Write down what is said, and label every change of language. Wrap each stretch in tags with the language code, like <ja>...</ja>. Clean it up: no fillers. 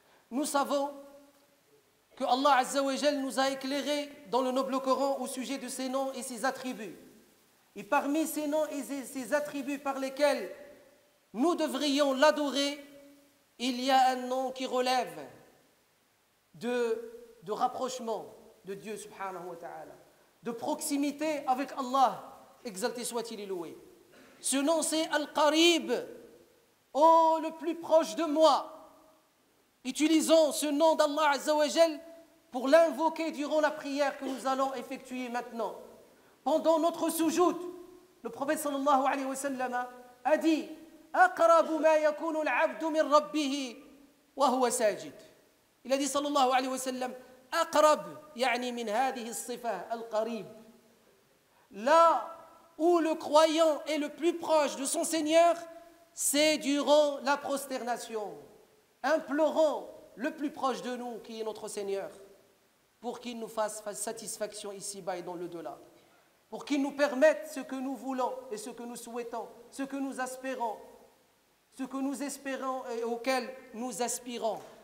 <fr>nous savons que Allah Azza wa Jal nous a éclairé dans le noble Coran au sujet de ses noms et ses attributs et parmi ses noms et ses attributs par lesquels nous devrions l'adorer il y a un nom qui relève de rapprochement de Dieu subhanahu wa ta'ala, de proximité avec Allah, exalté soit-il et loué. Ce nom c'est Al-Qarib, oh le plus proche de moi. Utilisons ce nom d'Allah Azza wa Jal pour l'invoquer durant la prière que nous allons effectuer maintenant. Pendant notre sujoud, le prophète sallallahu alayhi wa sallam a dit</fr> <ar>أقرب ما يكون العبد من ربه وهو ساجد. الذي صلى الله عليه وسلم أقرب يعني من هذه الصفة القريب.</ar> <fr>Là où le croyant est le plus proche de son Seigneur, c'est durant la prosternation, implorant le plus proche de nous, qui est notre Seigneur, pour qu'il nous fasse satisfaction ici-bas et dans le-delà, pour qu'il nous permette ce que nous voulons et ce que nous souhaitons, ce que nous aspirons, ce que nous espérons et auquel nous aspirons.</fr>